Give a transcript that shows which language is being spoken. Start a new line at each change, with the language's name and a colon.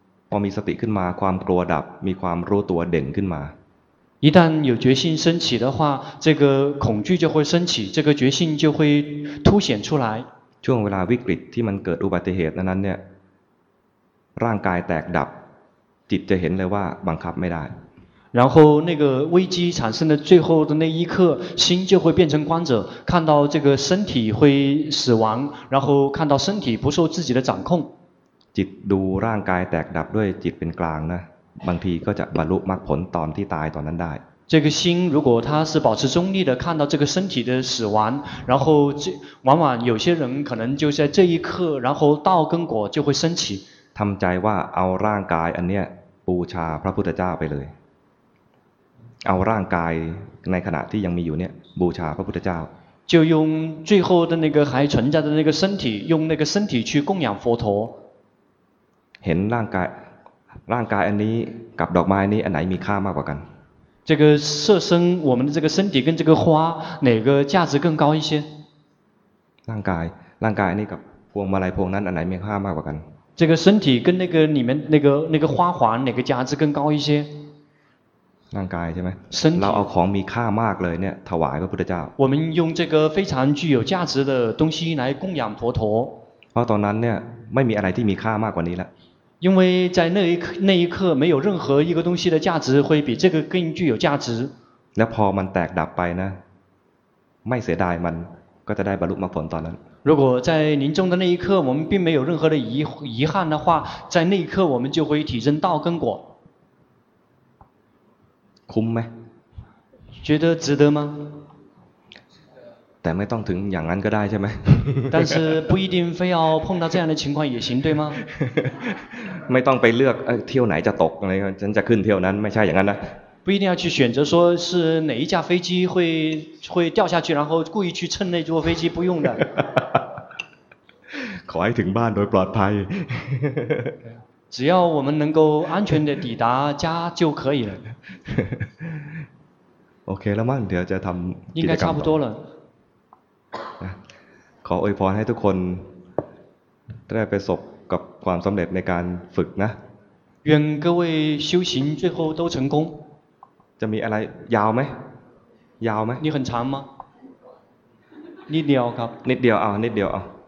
Thai: พอมีสติขึ้นมาความกลัวดับมีความรู้ตัวเด่นขึ้นมา
Chinese: 一旦有决心升起的话这个恐惧就会升起这个决心就会凸显出来
Thai: ช่วงเวลาวิกฤตที่มันเกิดอุบัติเหตุนั้นเนี่ยร่างกายแตกดับจิตจะเห็นเลยว่าบังคับไม่ได้
Chinese: 然后那个危机产生的最后的那一刻心就会变成观者看到这个身体会死亡然后看到身体不受自己的掌控
Thai: จิตดูร่างกายแตกดับด้วยจิตเป็นกลางนะบางทีก็จะบรรลุมรรคผลตอนที่ตายตอนนั้นได้
Chinese: 这个心如果他是保持中立的看到这个身体的死亡然后往往有些人可能就在这一刻然后道跟果就会升起
Thai: ทำใจว่าเอาร่างกายอันเนี้ยบูชาพระพุทธเจ้าไปเลยเอาร่างกายในขณะที่ยังมีอยู่เนี้ยบูชาพระพุทธเจ้า
Chinese: 就用最后的那个还存在的那个身体用那个身体去供养佛陀
Thai: เห็นร่างกายร่างกายอันนี้กับดอกไม้นี้อันไหนมีค่ามากกว่ากัน
Chinese: 这个色身我们的这个身体跟这个花哪个价值更高一些
Thai: ร่างกายอันนี้กับพวงมาลัยพวงนั้นอันไหนมีค่ามากกว่ากัน
Chinese: 这个身体跟那个里面那个花环哪个价值更高一些
Thai: ร่างกายใช่ไหม
Chinese: 身体
Thai: เราเอาของมีค่ามากเลยเนี่ยถวายพระพุทธเจ้า
Chinese: 我们用这个非常具有价值的东西来供养佛陀
Thai: เพราะตอนนั้นเนี่ยไม่มีอะไรที่มีค่ามากกว่านี้แล้ว
Chinese: 因为在那一刻没有任何一个东西的价值会比这个更具有价值。
Thai: แล้วพอมันแตกดับไปนะไม่เสียดายมันก็จะได้บรรลุมรรคผลตอนนั้น
Chinese: 如果在临终的那一刻我们并没有任何的遗憾的话在那一刻我们就会体证道根果
Thai: คุ้มไหม
Chinese: 觉得值得吗
Thai: แต่ไม่ต้องถึงอย่างนั้นก็ได้ใช่ไหม
Chinese: 但是不一定非要碰到这样的情况也行对吗
Thai: ไม่ต้องไปเลือกเที่ยวไหนจะตกอะไรฉันจะขึ้นเที่ยวนั้นไม่ใช่อย่างนั้นนะ
Chinese: 不一定要去选择说是哪一架飞机 会掉下去然后故意去蹭那座飞机不用的
Thai: ขอให้ถึงบ้านโดยปลอดภัย
Chinese: 只要我们能够安全的抵达家就可以了
Thai: โอเคแล้วมั้งเดี๋ยวจะทำ
Chinese: 应该差不多了
Thai: ขออวยพรให้ทุกคนได้ไปสบกับความสำเร็จในการฝึกนะ
Chinese: 愿各位修行最后都成功
Thai: จะมีอะไรยาวไหมยาวไหม นี่คันช้ำมั้ยนิดเดียวครับ นิดเดียวเอานิดเดียวเอา